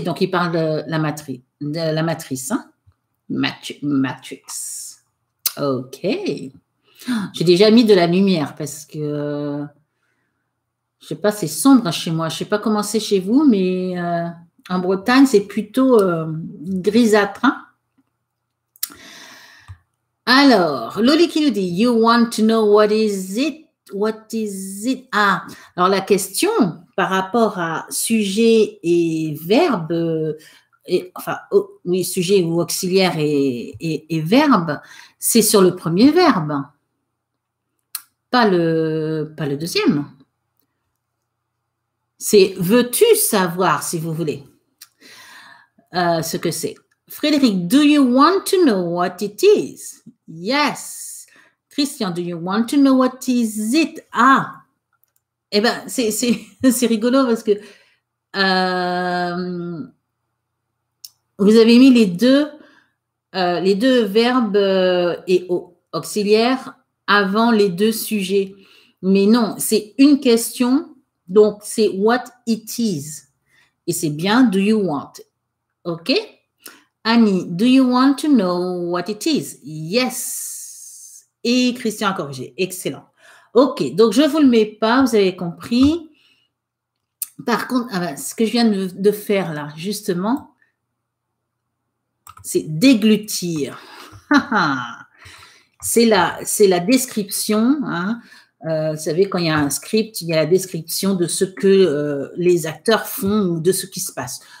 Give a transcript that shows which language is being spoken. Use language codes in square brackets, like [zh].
[fr] Donc, il parle de la matrice. Hein. Matrix. Ok. J'ai déjà mis de la lumière parce que je sais pas, c'est sombre chez moi. Je sais pas comment c'est chez vous, mais en Bretagne, c'est plutôt grisâtre. Hein. Alors, Loli qui nous dit, [en] you want to know what is it? [fr] Ah, alors la question par rapport à sujet et verbe, et, enfin, oh, oui, sujet ou auxiliaire et verbe, c'est sur le premier verbe, pas le deuxième. C'est veux-tu savoir, si vous voulez, ce que c'est? [en] Frédéric, do you want to know what it is? Yes. Christian, do you want to know what is it? [fr] Ah, eh ben, c'est rigolo parce que vous avez mis les deux verbes et auxiliaires avant les deux sujets. Mais non, c'est une question, donc c'est [en] what it is. [fr] Et c'est bien [en] do you want. [fr] OK? [en] Annie, do you want to know what it is? Yes. [fr] Et Christian a corrigé. Excellent. OK, donc je ne vous le mets pas, vous avez compris. Par contre, ah ben, ce que je viens de faire là, justement, c'est déglutir. C'est la description. Hein. Vous savez, quand il y a un script, il y a la description de ce que les acteurs font ou de ce qui se passe.